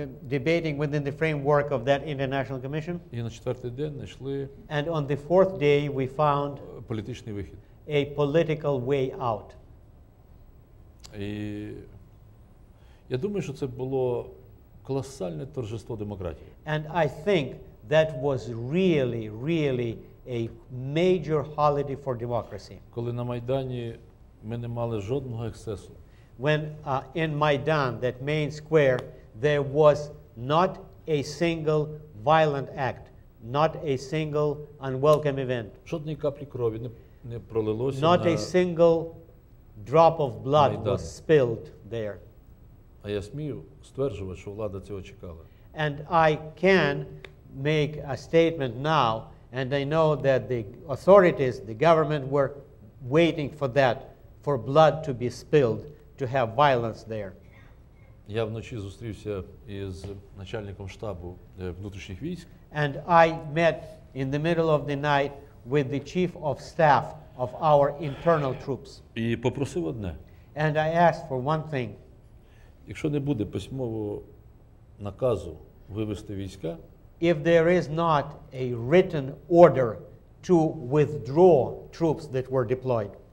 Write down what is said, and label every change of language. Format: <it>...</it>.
<en>Debating within the framework of that international commission.</en> <uk>І на четвертий день знайшли.</uk> <en>And on the fourth day, we found.</en> <uk>Політичний вихід.</uk> <en>A political way out.</en> <uk>І я думаю, що це було колосальне торжество демократії.</uk> <en>And I think that was really, really a major holiday for democracy.</en> <uk>Коли на Майдані ми не мали жодного ексцесу.</uk> <en>When in Maidan, that main square, there was not a single violent act, not a single unwelcome event.</en> <uk>Жодної каплі крові не пролилося на.</uk> <en>Not a single drop of blood was spilled there.</en> <uk>А я смію стверджувати, що влада цього чекала.</uk> <en>And I can make a statement now, and I know that the authorities, the government, were waiting for that, for blood to be spilled, to have violence there.</en> <uk>Я вночі зустрівся із начальником штабу внутрішніх військ.</uk> <en>And I met in the middle of the night with the chief of staff of our internal troops.</en> <uk>І попросив одне.</uk> <en>And I asked for one thing.</en> <uk>Якщо не буде письмового наказу вивести війська,</uk> <en>if there is not a written order to withdraw troops that were deployed,</en>